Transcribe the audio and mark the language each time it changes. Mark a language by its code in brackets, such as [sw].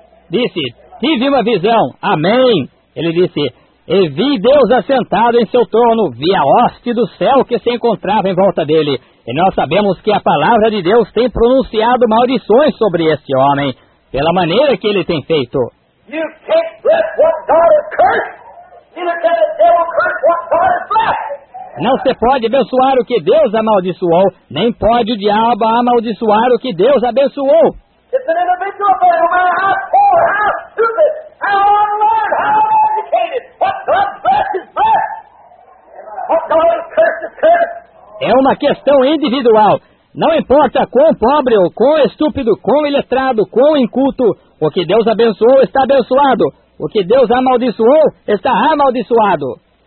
[pt] Disse, tive uma visão. Amém. Ele disse, e vi Deus assentado em seu trono, vi a hoste do céu que se encontrava em volta dele. E nós sabemos que a palavra de Deus tem pronunciado maldições sobre esse homem, pela maneira que ele tem feito. [en] You can't bless what God has cursed. Neither can the devil curse what God has blessed. [pt] Não se pode abençoar o que Deus amaldiçoou, nem pode o diabo amaldiçoar o que Deus abençoou. [en] It's an individual thing, no matter how poor, how stupid, how unlearned, how uneducated. What God blesses is blessed. What God has cursed is cursed. [pt] É uma questão individual. Não importa quão pobre ou quão estúpido, quão iletrado, quão inculto, o que Deus abençoou está abençoado. O que Deus amaldiçoou está amaldiçoado.